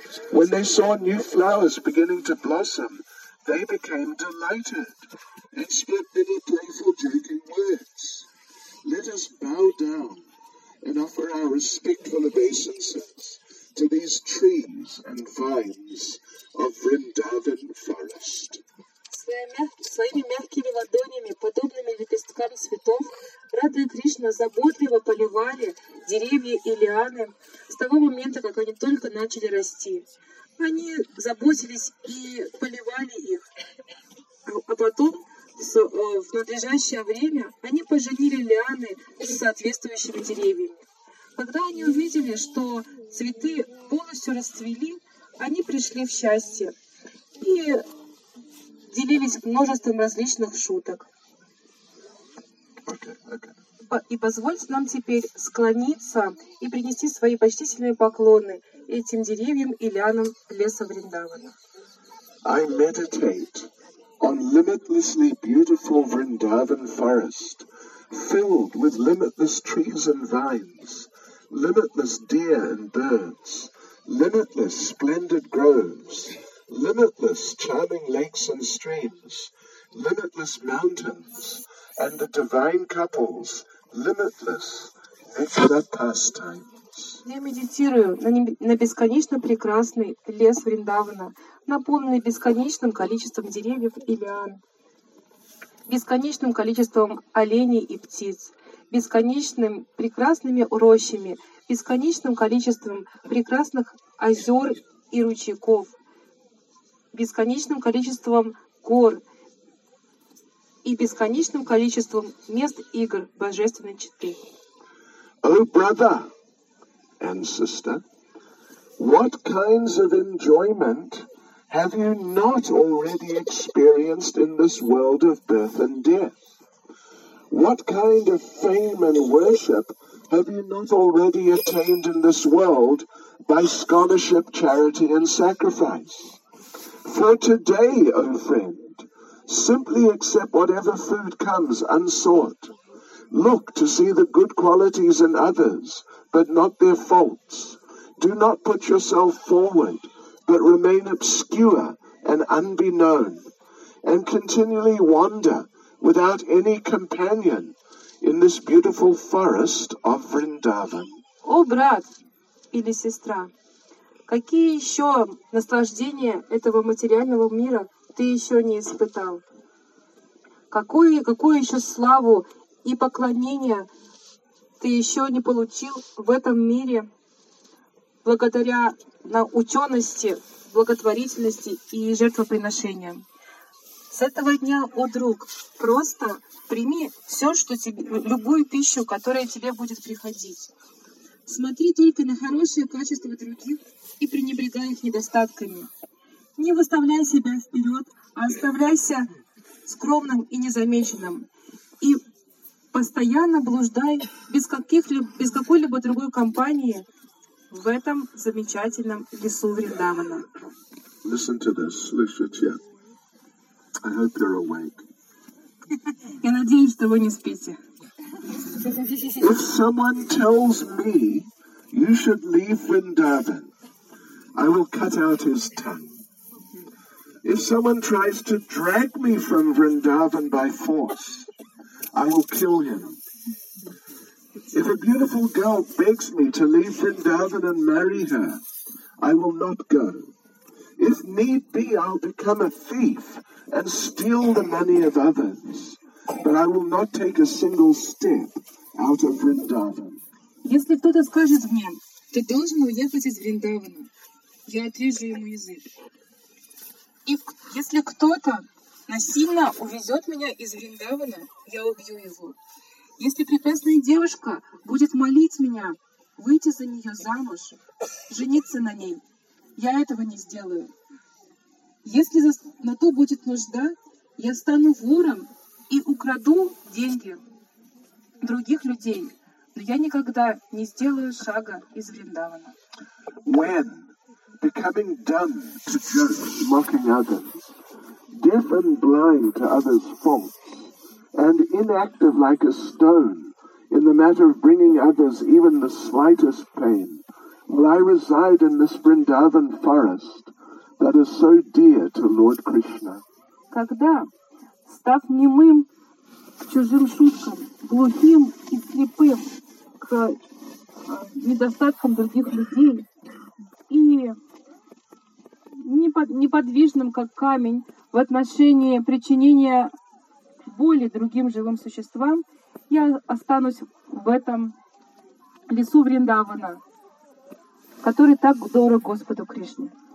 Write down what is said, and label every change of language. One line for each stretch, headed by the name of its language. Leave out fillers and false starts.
English: When they saw new flowers beginning to blossom, they became delighted and spoke many playful joking words. Let us bow down and offer our respectful obeisances to these trees and vines of Vrindavan forest.
Russian: Своими мягкими ладонями, подобными лепесткам цветов, Радха и Кришна заботливо поливали деревья и лианы с того момента, как они только начали расти. Они заботились и поливали их. А потом, в надлежащее время, они поженили лианы с соответствующими деревьями. Когда они увидели, что цветы полностью расцвели, они пришли в счастье и делились множеством различных шуток. И позвольте нам теперь склониться и принести свои почтительные поклоны этим деревьям и лианам леса Вриндавана.
English: I meditate on limitlessly beautiful Vrindavan forest, filled with limitless trees and vines, limitless deer and birds, limitless splendid groves, limitless charming lakes and streams, limitless mountains, and the divine couples, limitless extra pastimes.
Russian: Я медитирую на бесконечно прекрасный лес Вриндавана, наполненный бесконечным количеством деревьев и лиан, бесконечным количеством оленей и птиц, бесконечными прекрасными рощами, бесконечным количеством прекрасных озер и ручейков, бесконечным количеством гор и бесконечным количеством мест игр Божественной Четы.
English: O brother and sister, what kinds of enjoyment have you not already experienced in this world of birth and death? What kind of fame and worship have you not already attained in this world by scholarship, charity, and sacrifice? For today, O friend, simply accept whatever food comes unsought. Look to see the good qualities in others, but not their faults. Do not put yourself forward, but remain obscure and unbeknown, and continually wander without any companion in this beautiful forest of Vrindavan.
Russian: О, брат или сестра, какие еще наслаждения этого материального мира ты еще не испытал? Какую еще славу и поклонение ты еще не получил в этом мире благодаря учености, благотворительности и жертвоприношениям? С этого дня, о друг, просто прими все, что тебе, любую пищу, которая тебе будет приходить. Смотри только на хорошие качества других и пренебрегай их недостатками. Не выставляй себя вперед, а оставляйся скромным и незамеченным. И постоянно блуждай без какой-либо другой компании в этом замечательном лесу Вриндавана.
English: Listen to this,
Russian: слушайте.
English: I hope you're awake.
Russian: Я надеюсь, что вы не спите.
English: If someone tells me you should leave Vrindavan, I will cut out his tongue. If someone tries to drag me from Vrindavan by force, I will kill him. If a beautiful girl begs me to leave Vrindavan and marry her, I will not go. If need be, I'll become a thief and steal the money of others. But I will not take a single step out of Vrindavan.
Russian: Если кто-то скажет мне, ты должен уехать из Вриндавана, я отрежу ему язык. И если кто-то насильно увезет меня из Вриндавана, я убью его. Если прекрасная девушка будет молить меня выйти за нее замуж, жениться на ней, я этого не сделаю. Если на то будет нужда, я стану вором и украду деньги других людей. Но я никогда не сделаю шага из Вриндавана.
English: When becoming dumb to jokes, mocking others, deaf and blind to others' faults, and inactive like a stone in the matter of bringing others even the slightest pain, will I reside in this Vrindavan forest that is so dear to Lord Krishna?
Russian: Когда, став немым к чужим шуткам, глухим и слепым, недостатком других людей и неподвижным как камень в отношении причинения боли другим живым существам, я останусь в этом лесу Вриндавана, который так дорог Господу Кришне.